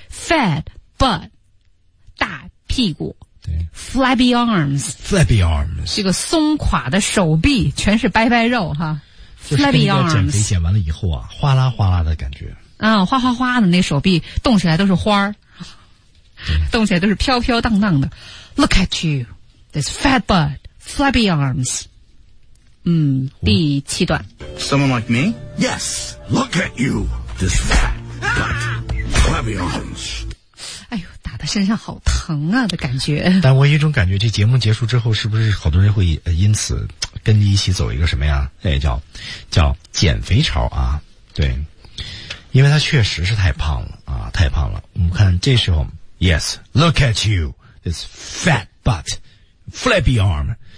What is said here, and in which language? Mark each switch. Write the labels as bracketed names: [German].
[English] Fat butt. [Chinese] 大屁股。 [English] Flabby arms. Flabby arms. [Chinese] 这个松垮的手臂全是白白肉哈。 [English] Flabby arms. [Chinese] 就是跟一个减肥减完了以后啊，哗啦哗啦的感觉。哗哗哗的那手臂动起来都是花儿。动起来都是飘飘荡荡的。 [English] Look at you, this fat butt, flabby arms. [Chinese] 第七段。 [English] Someone like me? Yes, look at you, this fat butt, flabby arms. [Chinese] 哎呦，打得身上好疼啊的感觉。但我有一种感觉，这节目结束之后，是不是好多人会因此跟你一起走一个什么呀？哎，叫减肥潮啊，对。因为他确实是太胖了啊，太胖了。我们看这时候。 [English] Yes, look at you, this fat butt, flabby arm.